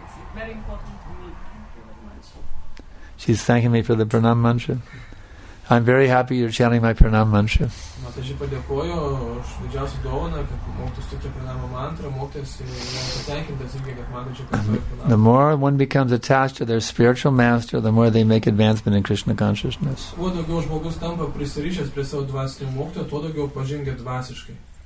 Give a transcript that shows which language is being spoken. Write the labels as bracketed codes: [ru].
[en] It's very important to me. Thank you very much. She's thanking me for the pranama mantra. I'm very happy you're chanting my pranama mantra. [lt] Mataji padėkojo už didžiausią dovaną, kad mokytis tokią pranama mantrą, mokytis ir patenkintas irgi, kad mataji padėkojo pranama. [en] The more one becomes attached to their spiritual master, the more they make advancement in Krishna consciousness. [lt] Kuo daugiau žmogus tampa prisirišęs prie savo dvasinio mokytojo, tuo daugiau pažengia dvasiškai.